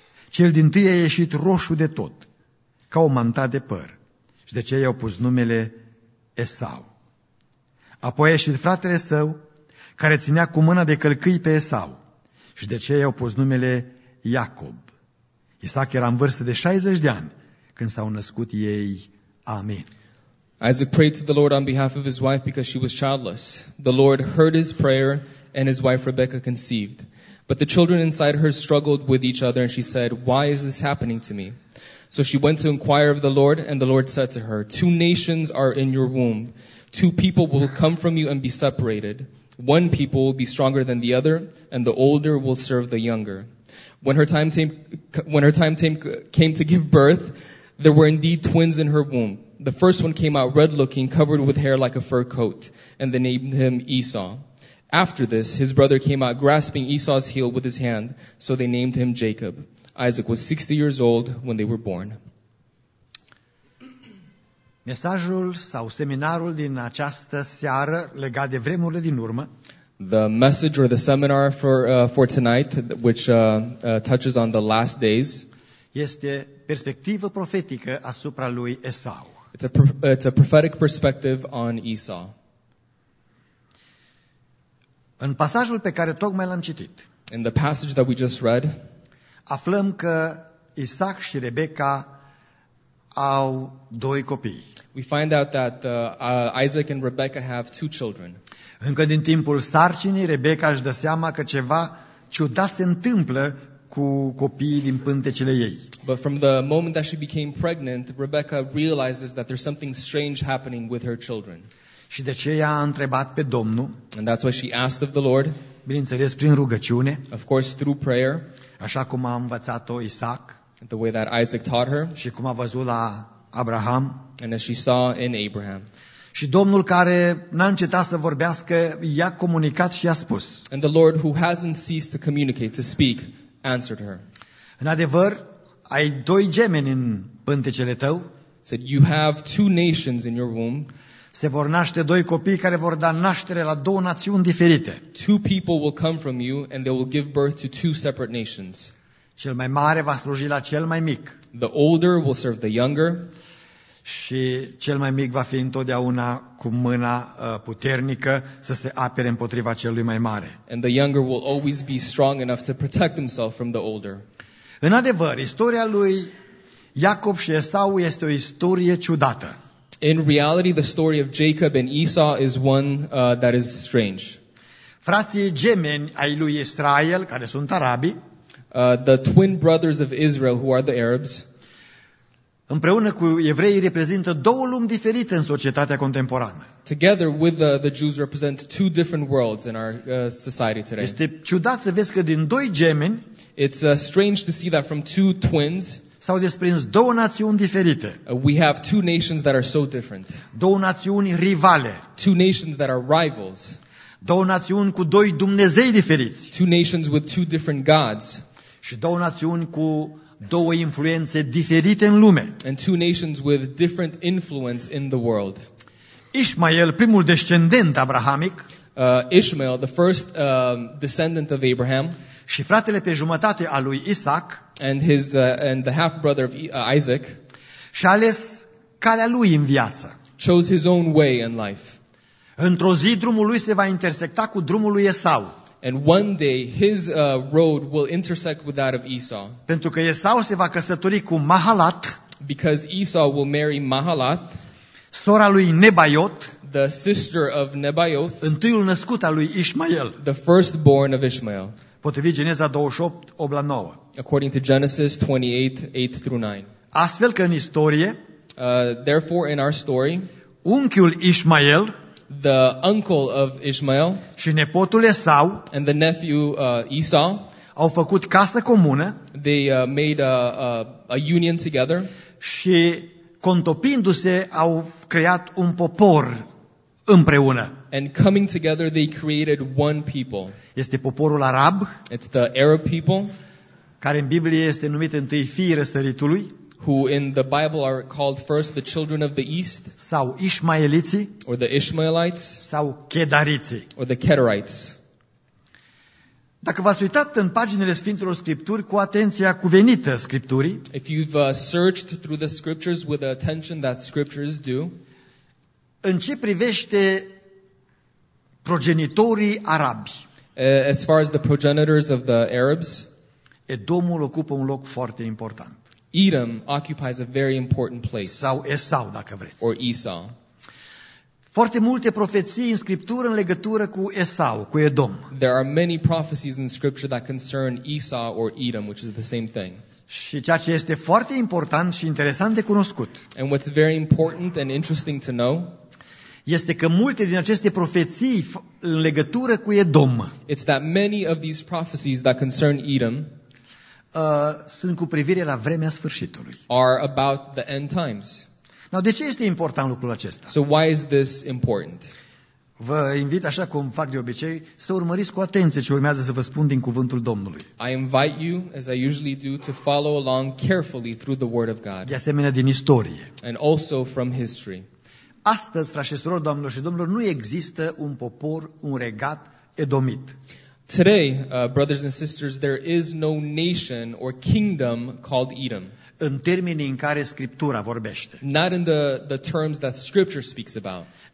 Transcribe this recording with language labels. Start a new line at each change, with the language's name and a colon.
Romanian: Cel din tâi a ieșit roșu de tot, ca o manta de păr, și de aceea i-au pus numele Esau. Apoi a ieșit fratele său, care ținea cu mâna de călcâi pe Esau, și de aceea i-au pus numele Iacob. Isaac era în vârstă de 60 de ani când s-au născut ei. Amen.
English: Isaac prayed to the Lord on behalf of his wife because she was childless. The Lord heard his prayer and his wife Rebekah conceived. But the children inside her struggled with each other, and she said, why is this happening to me? So she went to inquire of the Lord, and the Lord said to her, two nations are in your womb. Two people will come from you and be separated. One people will be stronger than the other, and the older will serve the younger. When her time came to give birth, there were indeed twins in her womb. The first one came out red-looking, covered with hair like a fur coat, and they named him Esau. After this, his brother came out grasping Esau's heel with his hand, so they named him Jacob. Isaac was 60 years old when they were born.
Romanian: Mesajul sau seminarul din această seară legat de vremurile din urmă.
English: The message or the seminar for tonight, which touches on the last days,
Romanian: este perspectivă profetică asupra lui Esau.
English: It's a prophetic perspective on Esau.
Romanian: În pasajul pe care tocmai l-am citit,
English: in the passage that we just read,
Romanian: aflăm că Isaac și Rebecca au doi copii.
English: We find out that Isaac and Rebecca have two children.
Romanian: Încă din timpul sarcinii, Rebecca își dă seama că ceva ciudat se întâmplă cu copiii din pântecele ei.
English: But from the moment that she became pregnant, Rebecca realizes that there's something strange happening with her children.
Romanian: Și de ce i-a întrebat pe Domnul?
English: And that's what she asked of the Lord.
Romanian: Bineînțeles, prin rugăciune.
English: Of course, through prayer.
Romanian: Așa cum a învățat-o Isaac.
English: The way that Isaac taught her.
Romanian: Și cum a văzut la Abraham.
English: And as she saw in Abraham.
Romanian: Și Domnul, care n-a încetat să vorbească, i-a comunicat și i-a spus.
English: And the Lord, who hasn't ceased to communicate, to speak, answered her.
Romanian: În adevăr, ai doi gemeni în pântecele tău.
English: Said, you have two nations in your womb.
Romanian: Se vor naște doi copii care vor da naștere la două națiuni diferite.
English: Two people will come from you and they will give birth to two separate nations.
Romanian: Cel mai mare va sluji la cel mai mic.
English: The older will serve the younger.
Romanian: Și cel mai mic va fi întotdeauna cu mâna puternică să se apere împotriva celui mai mare.
English: And the younger will always be strong enough to protect himself from the older.
Romanian: În adevăr, istoria lui Iacob și Esau este o istorie ciudată.
English: In reality, the story of Jacob and Esau is one that is strange.
Romanian: Frații gemeni ai lui Israel, care sunt arabi,
English: the twin brothers of Israel, who are the Arabs,
Romanian: împreună cu evreii reprezintă două lumi diferite în societatea contemporană.
English: Together with the Jews represent two different worlds in our society today.
Romanian: Este ciudat să vezi că din doi gemeni,
English: it's strange to see that from two twins,
Romanian: s-au desprins două națiuni diferite.
English: We have two nations that are so different.
Romanian: Două națiuni rivale.
English: Two nations that are rivals.
Romanian: Două națiuni cu doi dumnezei diferiți.
English: Two nations with two different gods.
Romanian: Și două națiuni cu două influențe diferite în lume.
English: And two nations with different influence in the world.
Romanian: Ismael, primul descendent abrahamic.
English: Ishmael, the first descendant of Abraham.
Romanian: Și fratele pe jumătate al lui Isaac.
English: And the half brother of Isaac,
Romanian: și-a ales calea lui în viață.
English: Chose his own way in life.
Romanian: Într-o zi drumul lui se va intersecta cu drumul lui Esau.
English: And one day his road will intersect with that of Esau.
Romanian: Pentru că Esau se va căsători cu Mahalat.
English: Because Esau will marry Mahalath,
Romanian: sora lui Nebaiot,
English: the sister of Nebaioth,
Romanian: întâiul născut al lui Ishmael,
English: the firstborn of Ishmael.
Romanian: Potrivit Geneza 28, 8-9.
English: According to Genesis 28, 8 through 9.
Romanian: Astfel că în istorie,
English: therefore in our story,
Romanian: unchiul Ishmael,
English: the uncle of Ishmael,
Romanian: și nepotul Esau,
English: and the nephew Esau,
Romanian: au făcut casă comună.
English: They made a union together.
Romanian: Și contopindu-se au creat un popor împreună.
English: And coming together they created one people.
Romanian: Este poporul arab.
English: It's the Arab people.
Romanian: Care în Biblie este numit întâi fiii răsăritului.
English: Who in the Bible are called first the children of the east.
Romanian: Sau ishmaeliții.
English: Or the Ishmaelites.
Romanian: Sau kedariții.
English: Or the Kedarites.
Romanian: Dacă v-ați uitat în paginile Sfintelor Scripturi cu atenția cuvenită Scripturii,
English: if you've searched through the Scriptures with the attention that Scriptures do,
Romanian: în ce privește progenitorii arabi,
English: as far as the progenitors of the Arabs,
Romanian: Edomul ocupă un loc foarte important.
English: Edom occupies a very important place.
Romanian: Sau Esau, dacă vreți.
English: Or Esau.
Romanian: Foarte multe profeții în Scriptură în legătură cu Esau, cu Edom.
English: There are many prophecies in Scripture that concern Esau or Edom, which is the same thing.
Romanian: Și ceea ce este foarte important și interesant de cunoscut.
English: And what's very important and interesting to know,
Romanian: este că multe din aceste profeții în legătură cu Edom,
English: it's that many of these prophecies that concern Edom,
Romanian: sunt cu privire la vremea sfârșitului.
English: Are about the end times. Now,
Romanian: de ce este important lucrul acesta?
English: So why is this important?
Romanian: Vă invit, așa cum fac de obicei, să urmăriți cu atenție ce urmează să vă spun din cuvântul Domnului.
English: I invite you, as I usually do, to follow along carefully through the word of God.
Romanian: De asemenea, din istorie.
English: And also from history.
Romanian: Astăzi, frașesorilor, doamnelor și domnilor, nu există un popor, un regat edomit.
English: Today, brothers and sisters, there is no nation or kingdom called Edom.
Romanian: În termenii în care Scriptura vorbește.
English: Not in the terms that Scripture speaks about.